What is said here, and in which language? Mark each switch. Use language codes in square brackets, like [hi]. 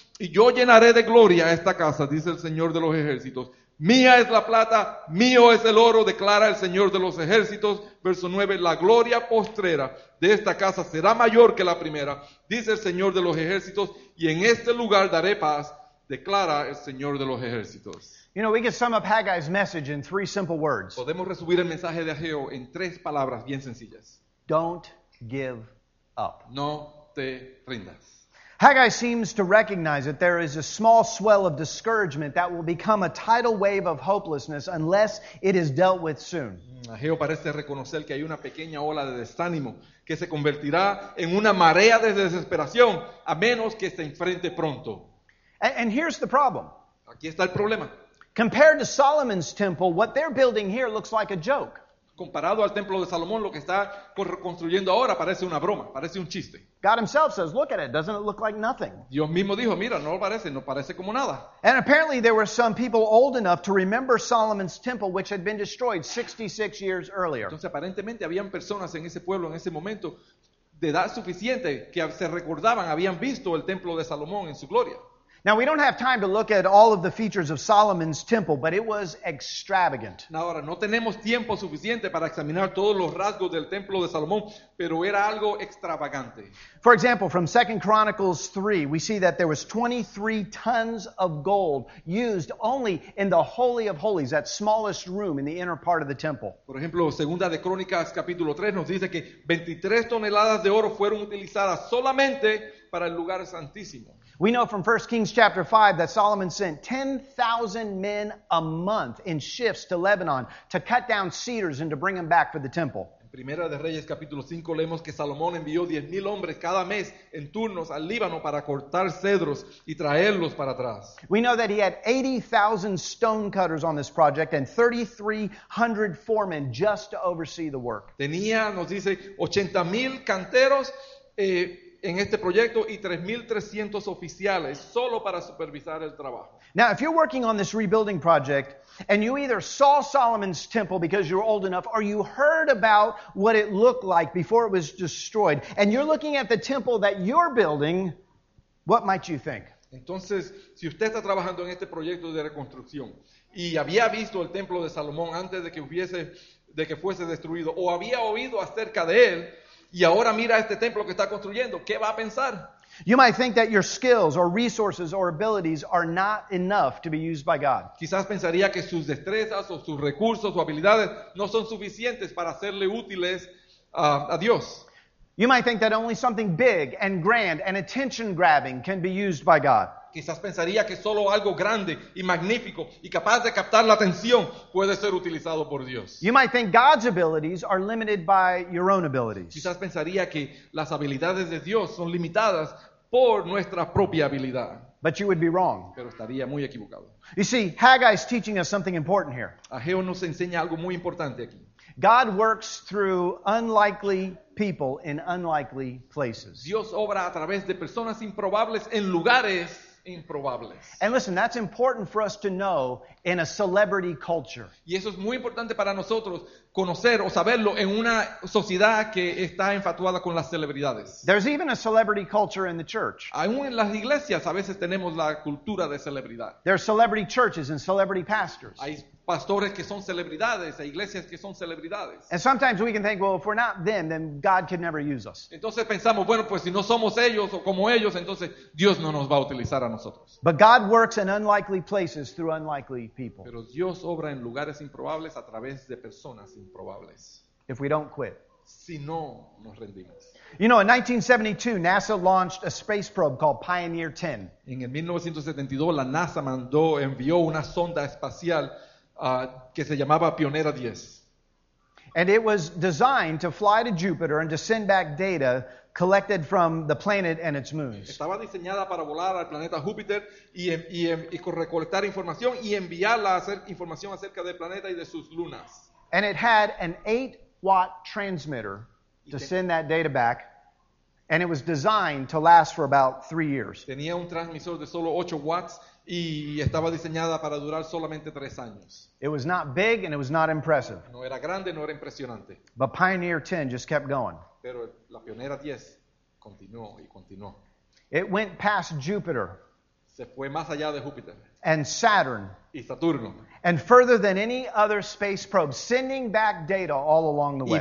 [es] Y yo llenaré de gloria esta casa, dice el Señor de los ejércitos. Mía es la plata, mío es el oro, declara el Señor de los ejércitos. Verso 9, la gloria postrera de esta casa será mayor que la primera, dice el Señor de los ejércitos, y en este lugar daré paz, declara el Señor de los ejércitos. [en] You know, we can sum up Haggai's message in three simple words. [es] Podemos resumir el mensaje de Ageo en tres palabras bien sencillas. [en] Don't give up. [es] No te rindas. [en] Haggai seems to recognize that there is a small swell of discouragement that will become a tidal wave of hopelessness unless it is dealt with soon. [es] Ageo parece reconocer que hay una pequeña ola de desánimo que se convertirá en una marea de desesperación a menos que se enfrente pronto. [en] And here's the problem. [es] Aquí está el problema. [en] Compared to Solomon's temple, what they're building here looks like a joke. [es] Comparado al templo de Salomón, lo que está construyendo ahora parece una broma, parece un chiste. [en] God himself says, look at it, doesn't it look like nothing? [es] Dios mismo dijo, mira, no lo parece, no parece como nada. [en] And apparently there were some people old enough to remember Solomon's temple, which had been destroyed 66 years earlier. [es] Entonces aparentemente habían personas en ese pueblo en ese momento de edad suficiente que se recordaban, habían visto el templo de Salomón en su gloria. [en] Now, we don't have time to look at all of the features of Solomon's temple, but it was extravagant. [es] Ahora, no tenemos tiempo suficiente para examinar todos los rasgos del templo de Salomón, pero era algo extravagante. [en] For example, from 2 Chronicles 3, we see that there was 23 tons of gold used only in the Holy of Holies, that smallest room in the inner part of the temple. [es] Por ejemplo, 2 de Crónicas, capítulo 3, nos dice que 23 toneladas de oro fueron utilizadas solamente para el lugar santísimo. [en] We know from 1 Kings chapter 5 that Solomon sent 10,000 men a month in shifts to Lebanon to cut down cedars and to bring them back for the temple. [es] En Primera de Reyes capítulo 5 leemos que Salomón envió 10,000 hombres cada mes en turnos al Líbano para cortar cedros y traerlos para atrás. [en] We know that he had 80,000 stone cutters on this project and 3,300 foremen just to oversee the work. [es] Tenía, nos dice, 80,000 canteros en este proyecto y 3,300 oficiales solo para supervisar el trabajo. [en] Now, if you're working on this rebuilding project and you either saw Solomon's temple because you're old enough or you heard about what it looked like before it was destroyed and you're looking at the temple that you're building, what might you think? [es] Entonces, si usted está trabajando en este proyecto de reconstrucción y había visto el templo de Salomón antes de que fuese destruido o había oído acerca de él, y ahora mira este templo que está construyendo. ¿Qué va a pensar? [en] You might think that your skills or resources or abilities are not enough to be used by God. [es] Quizás pensaría que sus destrezas o sus recursos o habilidades no son suficientes para hacerle útiles a Dios. [en] You might think that only something big and grand and attention-grabbing can be used by God. [es] Quizás pensaría que solo algo grande y magnífico y capaz de captar la atención puede ser utilizado por Dios. [en] You might think God's abilities are limited by your own abilities. [es] Quizás pensaría que las habilidades de Dios son limitadas por nuestra propia habilidad. [en] But you would be wrong. [es] Pero estaría muy equivocado. [en] You see, Haggai is teaching us something important here. [es] Ageo nos enseña algo muy importante aquí. [en] God works through unlikely people in unlikely places. [es] Dios obra a través de personas improbables en lugares improbables. [en] And listen, that's important for us to know in a celebrity culture. [es] Y eso es muy importante para nosotros conocer o saberlo en una sociedad que está enfatuada con las celebridades. [en] There's even a celebrity culture in the church. [es] Aún en las iglesias a veces tenemos la cultura de celebridad. [en] There are celebrity churches and celebrity pastors. [es] Hay pastores que son celebridades e iglesias que son celebridades. [en] And sometimes we can think, well, if we're not them, then God can never use us. [es] Entonces pensamos, bueno, pues si no somos ellos o como ellos, entonces Dios no nos va a utilizar a nosotros. [en] But God works in unlikely places through unlikely people. [es] Pero Dios obra en lugares improbables a través de personas improbables. [en] If we don't quit. [es] Si no nos rendimos. [en] You know, in 1972, NASA launched a space probe called Pioneer 10. [es] En el 1972, la NASA envió una sonda espacial que se llamaba Pionera 10. [en] And it was designed to fly to Jupiter and to send back data collected from the planet and its moons. [es] Estaba diseñada para volar al planeta Júpiter y recolectar información y enviarla a hacer información acerca del planeta y de sus lunas. [en] And it had an 8-watt transmitter to send that data back. And it was designed to last for about 3 years. [es] Tenía un transmisor de solo 8 watts y estaba diseñada para durar solamente 3 años. [en] It was not big and it was not impressive. [es] No era grande, no era impresionante. [en] But Pioneer 10 just kept going. [es] Pero la Pionera 10 continuó y continuó. [en] It went past Jupiter. [es] Se fue más allá de Júpiter. [en] And Saturn. [es] Y Saturno. [en] And further than any other space probe, sending back data all along the way.